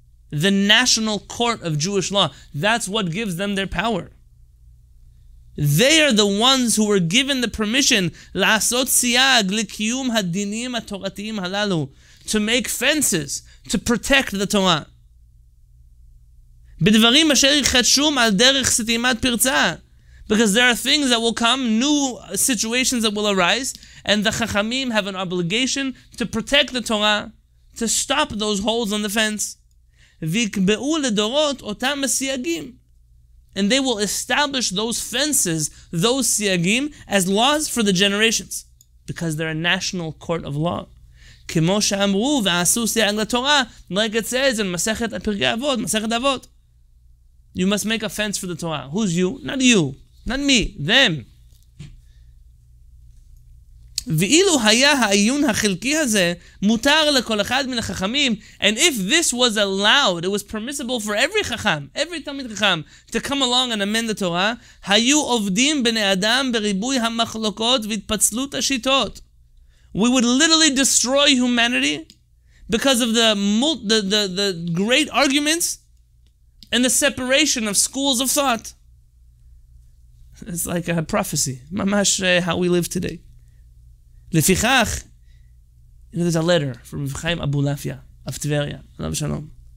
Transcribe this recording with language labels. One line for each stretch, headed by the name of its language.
English: The national court of Jewish law. That's what gives them their power. They are the ones who were given the permission
Hebrew: la'asot siyag likiyum hadinim ha-torateim halalu,
English: to make fences, to protect the Torah.
Hebrew: בדברים אשר יחדשום על דרך סתימת פרצה.
English: Because there are things that will come, new situations that will arise, and the Chachamim have an obligation to protect the Torah, to stop those holes on the fence.
Hebrew: ויקבעו לדורות אותם הסייגים.
English: And they will establish those fences, those siyagim, as laws for the generations. Because they're a national court of law.
Hebrew: כמו שאמרו ועשו סייג לתורה,
English: like it says in
Hebrew: מסכת פרקי אבות, מסכת אבות.
English: You must make a fence for the Torah. Who's you? Not you. Not me. Them.
Hebrew: ואילו היה העיון החלקי הזה מותר לכל אחד מן החכמים,
English: and if this was allowed, it was permissible for every חכם, every תלמיד חכם, to come along and amend the Torah,
Hebrew: היו עובדים בני אדם בריבוי המחלוקות והתפצלות השיטות.
English: We would literally destroy humanity because of the great arguments and the separation of schools of thought. It's like a prophecy. Mamash, how we live today. לפיכך, there's a letter from Chaim Abulafia of Tveria. Alav Shalom.